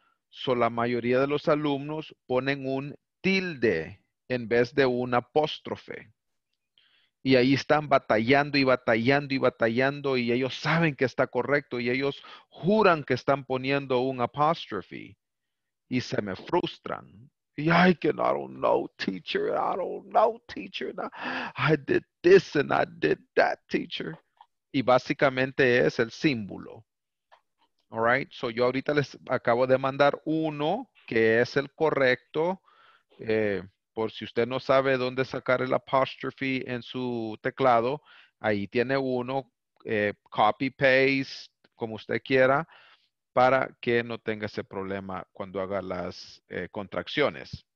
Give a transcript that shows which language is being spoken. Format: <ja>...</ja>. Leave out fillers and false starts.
<es>So, la mayoría de los alumnos ponen un tilde en vez de un apóstrofe. Y ahí están batallando y batallando y batallando, y ellos saben que está correcto y ellos juran que están poniendo un apóstrofe. Y se me frustran. Y ay, que no,</es> <en>I don't know, teacher. I don't know, teacher. No. I did this and I did that, teacher.</en> <es>Y básicamente es el símbolo.</es> <en>All right,</en> <es>so yo ahorita les acabo de mandar uno que es el correcto. Por si usted no sabe dónde sacar el apostrophe en su teclado, ahí tiene uno,</es> <en>copy, paste,</en> <es>como usted quiera, para que no tenga ese problema cuando haga las contracciones.</es>